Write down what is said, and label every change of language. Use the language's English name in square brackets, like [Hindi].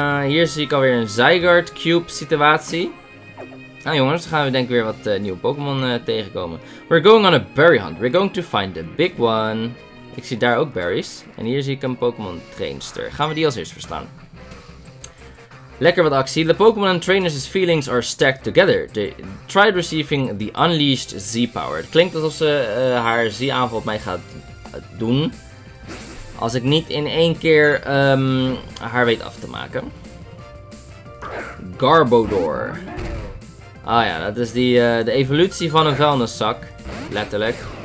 [Dutch] Hier zie ik alweer een Zygarde Cube situatie. Nou jongens, dan gaan we denk ik weer wat nieuwe Pokémon tegenkomen. [English] We're going on a berry hunt. We're going to find the big one. [Dutch] Ik zie daar ook berries. En hier zie ik een Pokémon trainster. Gaan we die als eerst verslaan. Lekker wat actie. [English] The Pokémon and trainers' feelings are stacked together. They tried receiving the unleashed Z-power. [Dutch] Het klinkt alsof ze haar Z-aanval op mij gaat doen. Als ik niet in één keer haar weet af te maken. Garbodor. Ah ja, dat is die, de evolutie van een vuilniszak. Letterlijk.